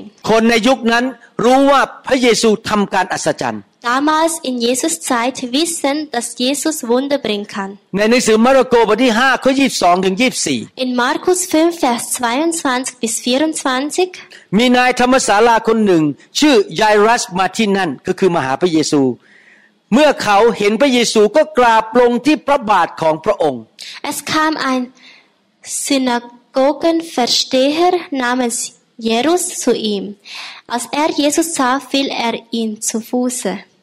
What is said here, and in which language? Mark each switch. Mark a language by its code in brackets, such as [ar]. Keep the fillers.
[th] คนในยุคนั้นรู้ว่าพระเยซูทำการอัศจรรย์ [de] Damals in Jesus Zeit wissen, dass Jesus Wunder bringen kann. [th] ในหนังสือมาระโกบทที่5ข้อ22ถึง24 [de] In Markus 5 Vers 22 bis 24 [th] มีนายธรรมศาลาคนหนึ่งชื่อไยรัสมาที่นั่นก็คือมหาพระเยซู เมื่อเขาเห็นพระเยซูก็กราบลงที่พระบาทของพระองค์ [de] Es kam ein Synagogenversteher namens Jerus zu ihm. Als er Jesus sah, fiel er ihn zu Fuße.